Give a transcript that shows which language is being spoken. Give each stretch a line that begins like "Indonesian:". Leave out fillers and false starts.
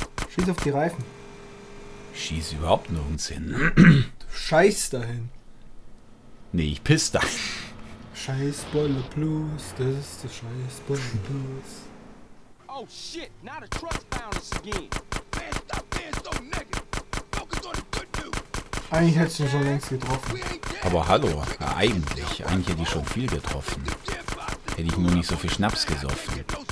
German: Schieß auf die Reifen. Schieß überhaupt nirgends hin. Du scheiß dahin. Nee, ich piss da. Scheiß Boiler Plus, das ist der Scheiß Boiler Plus.
English: Oh shit, not a truck found us again. Man, stop being so negative. Focus on the good news.
German: Eigentlich hätte ich ihn schon längst getroffen. Aber hallo, eigentlich hätte ich schon viel getroffen. Hätte ich nur nicht so viel Schnaps gesoffen.